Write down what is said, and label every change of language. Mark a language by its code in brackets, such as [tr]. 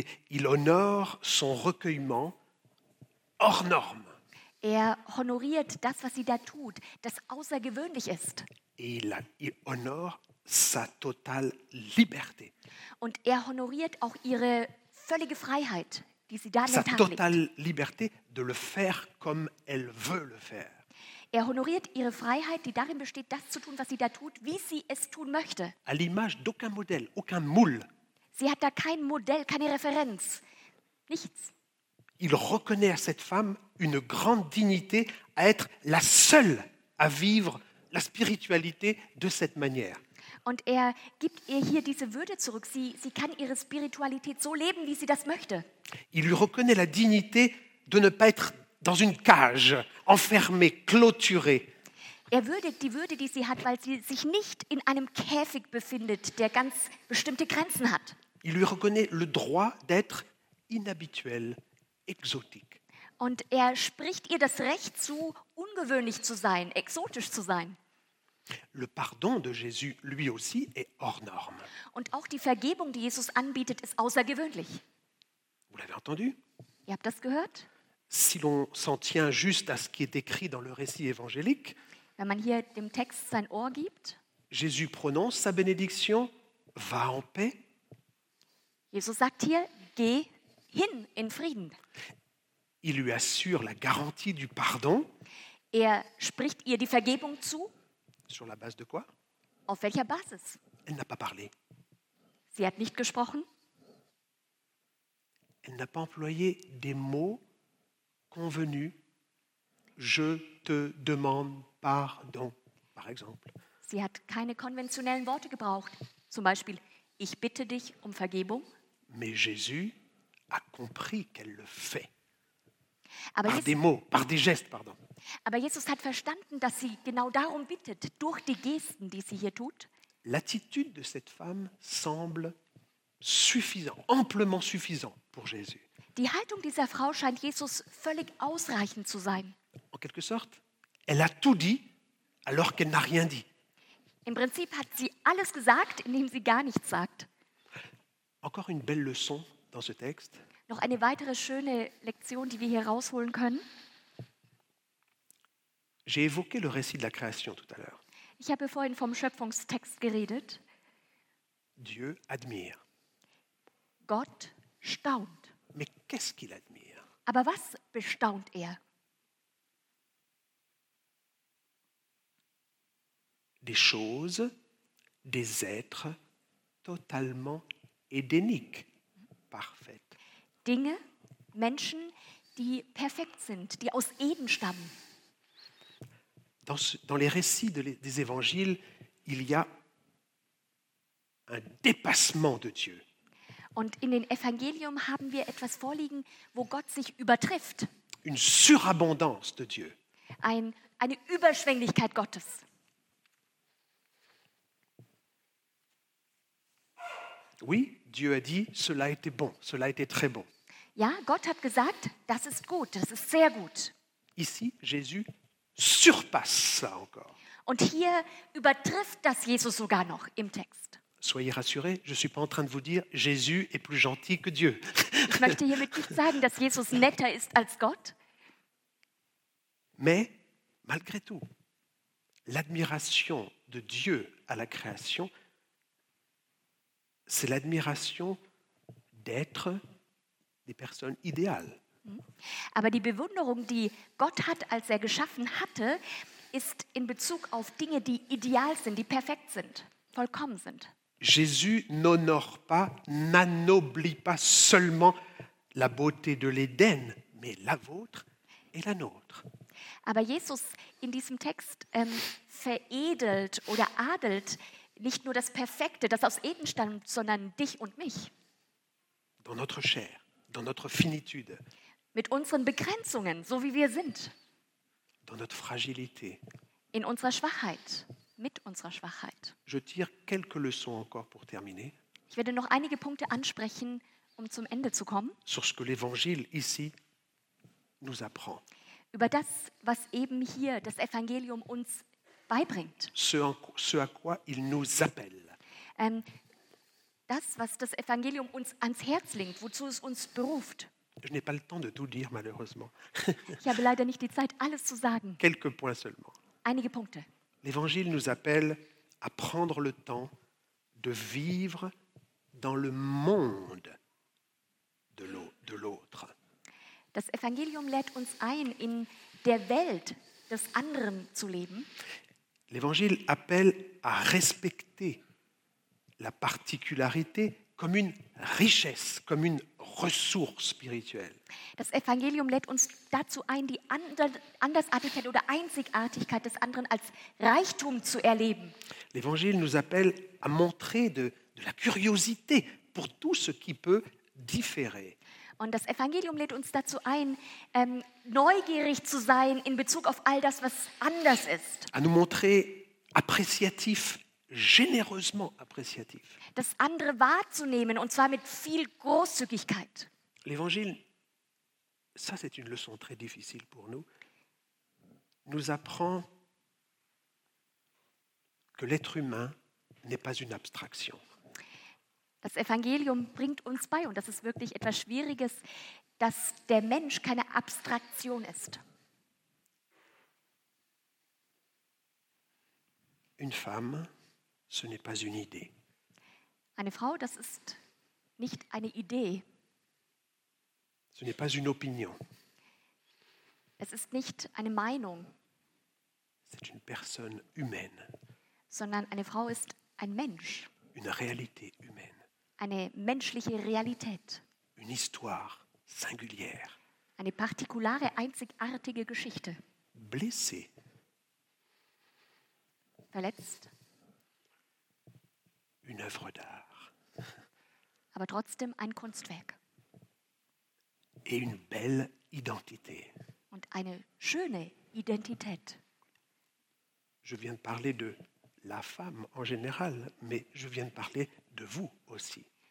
[fr] Il honore son recueillement hors norme. [de] Er honoriert das, was sie da tut, das außergewöhnlich ist. [fr] Et il honore sa totale liberté. [de] Und er honoriert auch ihre völlige Freiheit, die sie da [fr] sa totale liberté de le faire comme elle veut le faire. [de] Er honoriert ihre Freiheit, die darin besteht, das zu tun, was sie da tut, wie sie es tun möchte. [fr] À l'image d'aucun modèle, aucun moule. [de] Sie hat da kein Modell, keine Referenz. Nichts. [fr] Il reconnaît à cette femme une grande dignité à être la seule à vivre la spiritualité de cette manière. [de] Und er gibt ihr hier diese Würde zurück. Sie kann ihre Spiritualität so leben, wie sie das möchte. [fr] Il lui reconnaît la dignité de ne pas être dans une cage, enfermée, clôturée. [de] Er würdigt die Würde, die sie hat, weil sie sich nicht in einem Käfig befindet, der ganz bestimmte Grenzen hat. [fr] Il lui reconnaît le droit d'être inhabituel, exotique. [de] Und er spricht ihr das Recht zu, ungewöhnlich zu sein, exotisch zu sein. [fr] Le pardon de Jésus, lui aussi, est hors norme. [de] Und auch die Vergebung, die Jesus anbietet, ist außergewöhnlich. [fr] Vous l'avez entendu? [de] Ihr habt das gehört? [fr] Si l'on s'en tient juste à ce qui est décrit dans le récit évangélique, [de] wenn man hier dem Text sein Ohr gibt, [fr] Jésus prononce sa bénédiction, va en paix. [de] Jesus sagt hier, geh hin in Frieden. [fr] Il lui assure la garantie du pardon. [de] Er spricht ihr die Vergebung zu. [fr] Sur la base de quoi? [de] Auf welcher Basis? [fr] Elle n'a pas parlé. [de] Sie hat nicht gesprochen. [fr] Elle n'a pas employé des mots convenus. Je te demande pardon, par exemple. [de] Sie hat keine konventionellen Worte gebraucht. Zum Beispiel, ich bitte dich um Vergebung. [fr] Mais Jésus a compris qu'elle le fait. [de] Aber [fr] par des mots, par des gestes, pardon. [de] Aber Jesus hat verstanden, dass sie genau darum bittet, durch die Gesten, die sie hier tut. [fr] L'attitude de cette femme semble suffisant, amplement suffisant pour Jésus. [de] Die Haltung dieser Frau scheint Jesus völlig ausreichend zu sein. [fr] En quelque sorte, elle a tout dit alors qu'elle n'a rien dit. [de] Im Prinzip hat sie alles gesagt, indem sie gar nichts sagt. [fr] Encore une belle leçon dans ce texte. [de] Noch eine weitere schöne Lektion, die wir hier rausholen können. [fr] J'ai évoqué le récit de la création tout à l'heure. [de] Ich habe vorhin vom Schöpfungstext geredet. [fr] Dieu admire. [de] Gott staunt. [fr] Mais qu'est-ce qu'il admire? [de] Aber was bestaunt er? [fr] Des choses, des êtres totalement édéniques, parfaits. [de] Dinge, Menschen, die perfekt sind, die aus Eden stammen. [fr] Dans les récits des évangiles, il y a un dépassement de Dieu. [de] Und in den Evangelium haben wir etwas vorliegen, wo Gott sich übertrifft. [fr] Une surabondance de Dieu. [de] Eine Überschwänglichkeit Gottes. [fr] Oui, Dieu a dit, cela a été bon, cela a été très bon. [de] Ja, Gott hat gesagt, das ist gut, das ist sehr gut. [fr] Ici, Jésus surpasse ça encore. [de] Und hier übertrifft das Jesus sogar noch im Text. [fr] Soyez rassurés, je suis pas en train de vous dire Jésus est plus gentil que Dieu. [de] Ich möchte hiermit nicht sagen, dass Jesus netter ist als Gott. [fr] Mais malgré tout, l'admiration de Dieu à la création, c'est l'admiration d'être des personnes idéales. [de] Aber die Bewunderung, die Gott hat, als er geschaffen hatte, ist in Bezug auf Dinge, die ideal sind, die perfekt sind, vollkommen sind. [fr] Jésus n'honore pas, n'annoblit pas seulement la beauté de l'Éden, mais la vôtre et la nôtre. [de] Aber Jesus in diesem Text veredelt oder adelt nicht nur das Perfekte, das aus Eden stammt, sondern dich und mich. [fr] Dans notre chair, dans notre finitude. [de] Mit unseren Begrenzungen, so wie wir sind. [fr] Dans notre fragilité. [de] In unserer Schwachheit, mit unserer Schwachheit. [fr] Je tire quelques leçons encore pour terminer. [de] Ich werde noch einige Punkte ansprechen, um zum Ende zu kommen. [fr] Sur ce que l'Évangile ici nous apprend. [de] Über das, was eben hier das Evangelium uns beibringt. [fr] Ce à quoi il nous appelle. [de] Das, was das Evangelium uns ans Herz legt, wozu es uns beruft. [fr] Je n'ai pas le temps de tout dire, malheureusement. [de] Ich habe leider nicht die Zeit, alles zu sagen. [fr] Quelques points seulement. [de] Einige Punkte. [fr] L'Évangile nous appelle à prendre le temps de vivre dans le monde de l'autre. [de] Das Evangelium lädt uns ein, in der Welt des anderen zu leben. [fr] L'Évangile appelle à respecter la particularité comme une richesse, comme une ressource spirituelle. [de] Das Evangelium lädt uns dazu ein, die Andersartigkeit oder Einzigartigkeit des anderen als Reichtum zu erleben. [fr] L'Évangile nous appelle à montrer de la curiosité pour tout ce qui peut différer. [de] Und das Evangelium lädt uns dazu ein, neugierig zu sein in Bezug auf all das, was anders ist. [fr] À nous montrer appréciatif, généreusement appréciatif. [de] Das andere wahrzunehmen, und zwar mit viel Großzügigkeit. [fr] L'Évangile ça, c'est une leçon très difficile pour nous, nous apprend que l'être humain n'est pas une abstraction. [de] Das Evangelium bringt uns bei, und das ist wirklich etwas Schwieriges, dass der Mensch keine Abstraktion ist. [fr] Une femme, ce n'est pas une idée. [de] Eine Frau, das ist nicht eine Idee. [fr] Ce n'est pas une opinion. [de] Es ist nicht eine Meinung. [fr] C'est une personne humaine. [de] Sondern eine Frau ist ein Mensch. [fr] Une réalité humaine. [de] Eine menschliche Realität. [fr] Une histoire singulière. [de] Eine partikulare, einzigartige Geschichte. [fr] Blessée. [de] Verletzt. [fr] Une œuvre d'art. [de] Aber trotzdem ein Kunstwerk. [fr] Et une belle identité. [de] Und eine schöne Identität. [fr] Je viens de parler de la femme en général, mais je viens de parler de vous aussi.